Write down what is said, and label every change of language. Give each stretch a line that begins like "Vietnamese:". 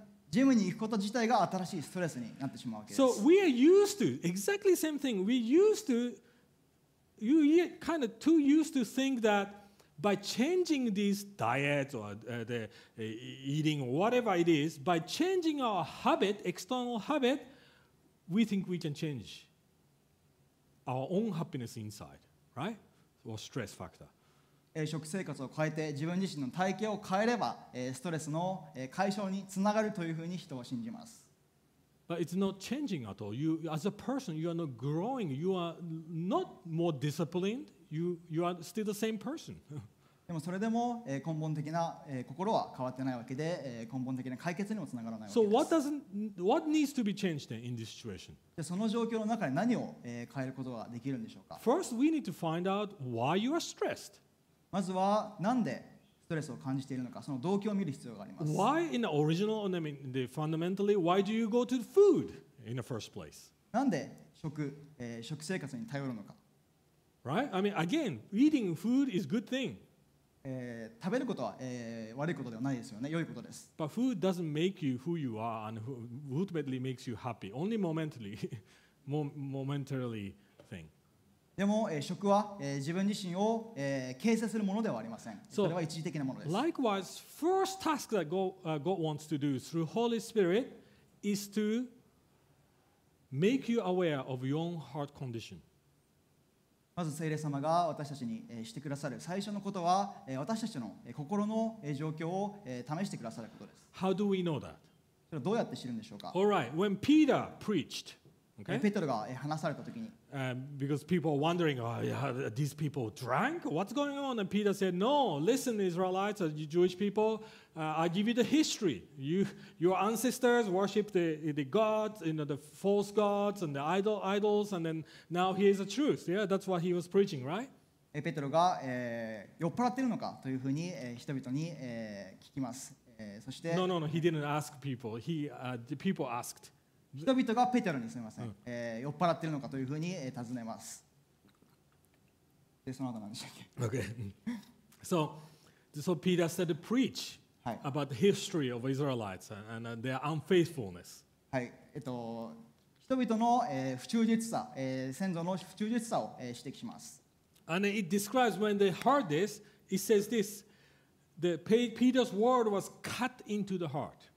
Japanese: ジムに行くこと自体が新しいストレスになってしまうわけです。
English: So we are used to exactly same thing. We used to you kind of too used to think that by changing this diet or the eating or whatever it is, by changing our habit, external habit, we think we can change our own happiness inside, right? Or stress factor.
Japanese: 食生活を変えて自分自身の体型を変えればストレスの解消につながるというふうに人は信じます。
English: But it's not changing at all. You, as a person, you are not growing. You are not more disciplined. You are still the same person.
Japanese: でもそれでも根本的な心は変わってないわけで根本的な解決にもつながらないわけです。
English: So what needs to be changed then in this situation?
Japanese: その状況の中で何を変えることができるんでしょうか?
English: First, we need to find out why you are stressed.
Japanese: まずはなんでストレスを感じているのかその動機を見る必要があります。
English: Why in the original, I mean, the fundamentally, why do you go to food in the first place?
Japanese: なんで食生活に頼るのか。
English: Right? I mean, again, eating food is good thing.
Japanese: 食べることは悪いことではないですよね。良いことです。
English: But food doesn't make you who you are and who ultimately makes you happy. Only momentarily, momentarily thing.
Japanese: でも食は自分自身を形成するものではありません。それは一時的なものです。
English: Likewise, first task that God wants to do through Holy Spirit is to make you aware of your own heart condition.
Japanese: まず聖霊様が私たちにしてくださる最初のことは私たちの心の状況を試してくださることです。
English: How do we know that?
Japanese: それはどうやって知るんでしょうか?
English: All right, when Peter preached,Okay.
Japanese: ペトロが話された時に、
English: because people are wondering, oh, yeah, these people drank? What's going on? And Peter said, No, listen, Israelites, or Jewish people, I give you the history. Your ancestors worshipped the gods, you know, the false gods and the idols, and then now here's the truth. Yeah, that's what he was preaching, right?
Japanese: ペトロが、酔っ払ってるのかというふうに、人々に、聞きます。そして、
English: No, he didn't ask people. He, the people asked.
Japanese: 人々がペテロにすみません、酔っ払っているのかというふうに尋ねます。でその後何でしたっけ
English: ？Okay. So Peter started to preach about the history of Israelites and their unfaithfulness.
Japanese: はい。人々の、不忠実さ、先祖の不忠実さを、指摘します。
English: And it describes when they heard this, it says this: the Peter's word was cut into the heart.